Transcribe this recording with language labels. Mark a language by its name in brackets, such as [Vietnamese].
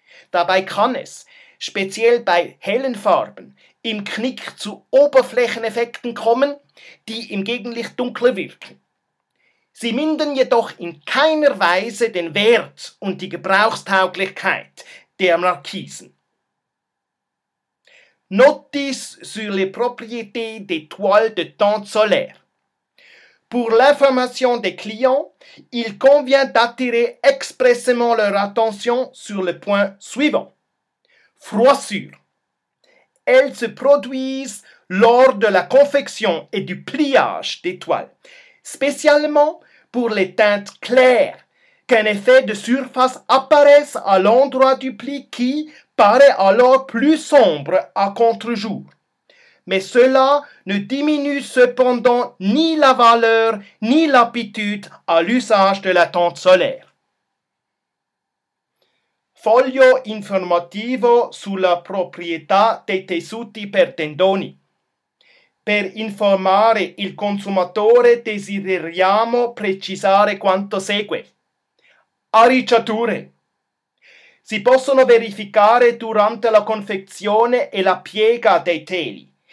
[German] Dabei kann es, speziell bei hellen Farben, im Knick zu Oberflächeneffekten kommen, die im Gegenlicht dunkler wirken. Sie mindern jedoch in keiner Weise den Wert und die Gebrauchstauglichkeit der Markisen. [French] Notice sur les propriétés des toiles de teinte solaire. Pour l'information des clients, il convient d'attirer expressément leur attention sur le point suivant. Froissure. Elles se produisent lors de la confection et du pliage des toiles, spécialement pour les teintes claires, qu'un effet de surface apparaisse à l'endroit du pli qui paraît alors plus sombre à contre-jour. Mais cela ne diminue cependant ni la valeur ni l'aptitude à l'usage de la teinte solaire. [Italian] Foglio informativo sulla proprietà dei tessuti per tendoni. Per informare il consumatore desideriamo precisare quanto segue. Arricciature. Si possono verificare durante la confezione e la piega dei teli.